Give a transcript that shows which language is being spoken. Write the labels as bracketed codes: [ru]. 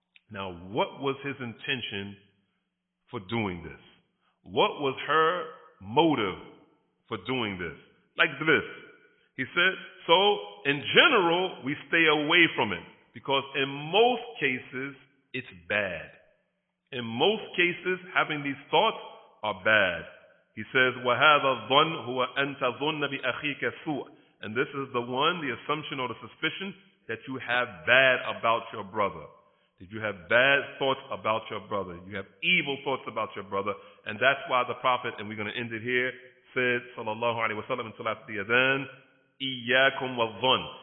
[en] Now, what was his intention for doing this? What was her motive for doing this? Like this, He said, so in general, we stay away from it because in most cases, it's bad. In most cases, having these thoughts are bad. He says, [ar] وَهَذَا الظَّنْ هُوَ أَن تَظُنَّ بِأَخِيكَ سُوءٍ. [en] And this is the one, the assumption or the suspicion that you have bad about your brother. That you have bad thoughts about your brother. You have evil thoughts about your brother. And that's why the Prophet, and we're going to end it here, said, sallallahu alayhi wa sallam, until after the adhan, [ar] إِيَّاكُمْ وَالظَّنْ.